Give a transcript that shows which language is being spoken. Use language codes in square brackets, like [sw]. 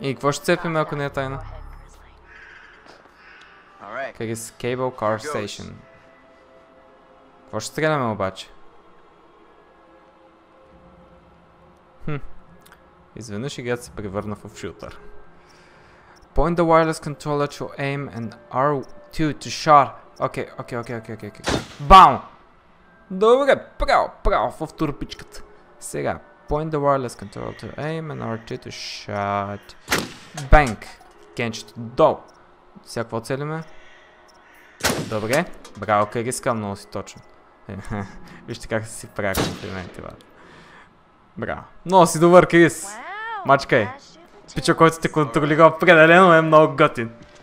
[bg] И какво ще цепим, ако не е тайна? [en] All right. [bg] Как е с [en] cable car station? [bg] Какво ще стреляме обаче? Изведнъж играта се превърна в шутър. [en] Point the wireless controller to aim and R2 to shot. [bg] Окей. Бам! Добре, право в турпичката. [en] Сега, point the wireless controller to aim and R2 to shot. [bg] Банк! Кенчето, долу! Сега какво целиме? Добре, браво, къде искам, много си точно. Вижте как си правя комплименти, бъде. Браво. Много си добър, Крис! Мачкай, пичо, който те контролира, определено е много готин.